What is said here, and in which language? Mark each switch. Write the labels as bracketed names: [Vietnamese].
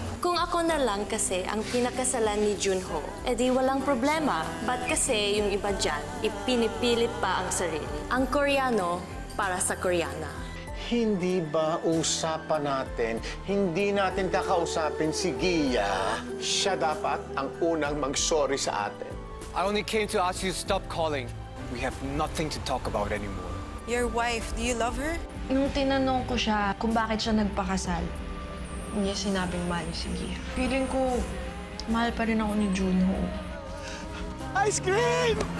[Filipino] Kung ako na lang kasi ang pinakasalan ni Jun Ho, edi walang problema. Ba't kasi yung iba dyan, ipinipilit pa ang sarili. Ang Koreano para sa Koreana. Hindi ba usapan natin, hindi natin kakausapin si Gia? Siya dapat ang unang mag-sorry sa atin. [English] I only came to ask you to stop calling. We have nothing to talk about anymore. Your wife, do you love her? [Filipino] Nung tinanong ko siya kung bakit siya nagpakasal, hindi niya sinabing mahal yung si Gia. Feeling ko, mahal pa rin ako ni Jun Ho. [English] Ice cream!